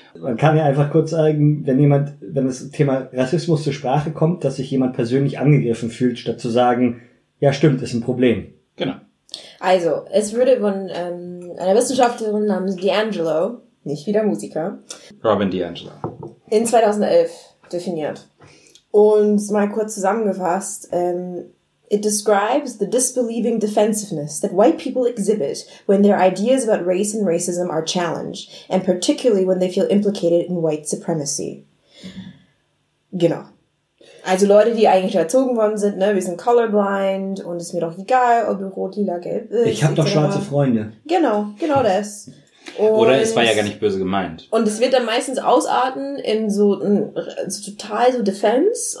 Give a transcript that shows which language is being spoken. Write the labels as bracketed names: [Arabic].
[German] Man kann ja einfach kurz sagen, wenn das Thema Rassismus zur Sprache kommt, dass sich jemand persönlich angegriffen fühlt, statt zu sagen, ja stimmt, ist ein Problem. Genau. Also es würde von einer Wissenschaftlerin namens D'Angelo, nicht wieder Musiker, Robin D'Angelo, in 2011 definiert. Und mal kurz zusammengefasst, [English] it describes the disbelieving defensiveness that white people exhibit when their ideas about race and racism are challenged, and particularly when they feel implicated in white supremacy. [German] Genau. Also Leute, die eigentlich erzogen worden sind, ne, wir sind colorblind und ist mir doch egal, ob rot, lila, gelb ist. Ich hab doch schwarze Freunde. Genau das. Oder es war ja gar nicht böse gemeint. Und es wird dann meistens ausarten in so total so Defense.